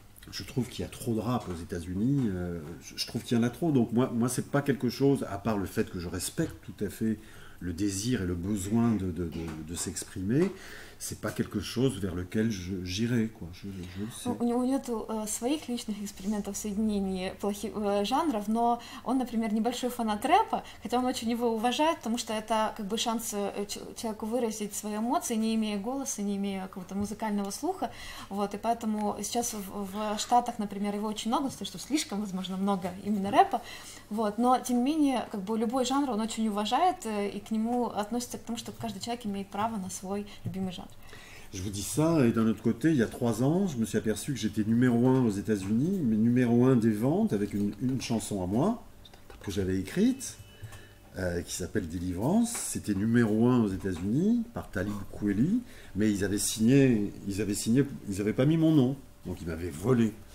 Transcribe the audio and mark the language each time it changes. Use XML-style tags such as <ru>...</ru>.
<fr>je trouve qu'il y a trop de rap aux États-Unis. Je trouve qu'il y en a trop. Donc moi c'est pas quelque chose, à part le fait que je respecte tout à fait le désir et le besoin de s'exprimer, c'est pas quelque chose vers lequel j'irai, quoi.</fr> <ru>У него нет своих личных экспериментов в соединении плохих жанров, но он, например, небольшой фанат рэпа, хотя он очень его уважает, потому что это как бы шанс человеку выразить свои эмоции, не имея голоса, не имея какого-то музыкального слуха. Вот, и поэтому сейчас в Штатах, например, его очень много, потому что слишком, возможно, много именно рэпа. Вот, но тем не менее, как бы любой жанр он очень уважает и к нему относится к тому, что каждый человек имеет право на свой любимый жанр.</ru> <fr>Je vous dis ça, et d'un autre côté, il y a 3 ans, je me suis aperçu que j'étais numéro 1 aux États-Unis, mais numéro 1 des ventes avec une chanson à moi que j'avais écrite, qui s'appelle Deliverance. C'était numéro 1 aux États-Unis par Talib Kweli, mais ils avaient pas mis mon nom, donc ils m'avaient volé.</fr>